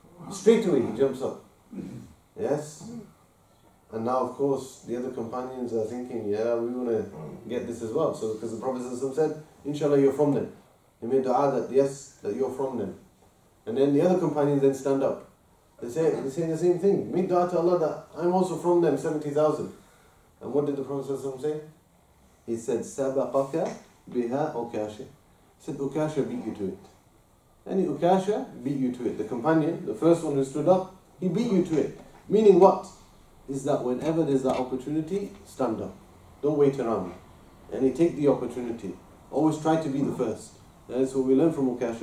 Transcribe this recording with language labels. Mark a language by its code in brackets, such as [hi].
[en] Straight away he jumps up. Yes? And now of course the other companions are thinking, we want to get this as well. So because the Prophet said, inshallah you're from them. He made dua that, yes, that you're from them. And then the other companions then stand up. They say the same thing. Make dua to Allah that I'm also from them, 70,000. And what did the Prophet say? [ar] He said, سَبَقَكَ بِهَا أُكَاشَ. [en] He said, Ukasha beat you to it. Any Ukasha beat you to it. The companion, the first one who stood up, he beat you to it. Meaning what? Is that whenever there's that opportunity, stand up. Don't wait around. And he take the opportunity. Always try to be the first. That's what we learn from Ukasha.